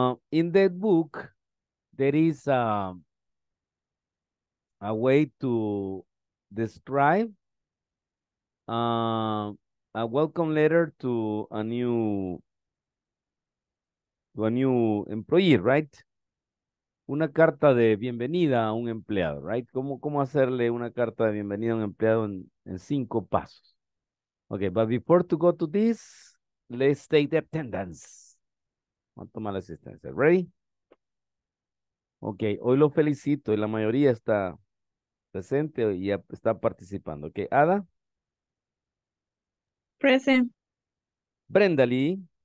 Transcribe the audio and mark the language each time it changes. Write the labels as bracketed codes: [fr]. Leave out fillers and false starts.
[en] In that book, there is a way to describe a welcome letter to a new employee, right? [es] Una carta de bienvenida a un empleado, right? ¿Cómo hacerle una carta de bienvenida a un empleado en cinco pasos? [en] Okay, but before to go to this, let's take the attendance. [es] Vamos a tomar la asistencia. Ready? Okay, hoy lo felicito y la mayoría está presente y está participando. Okay, Ada. [en] Present. Brenda Lee.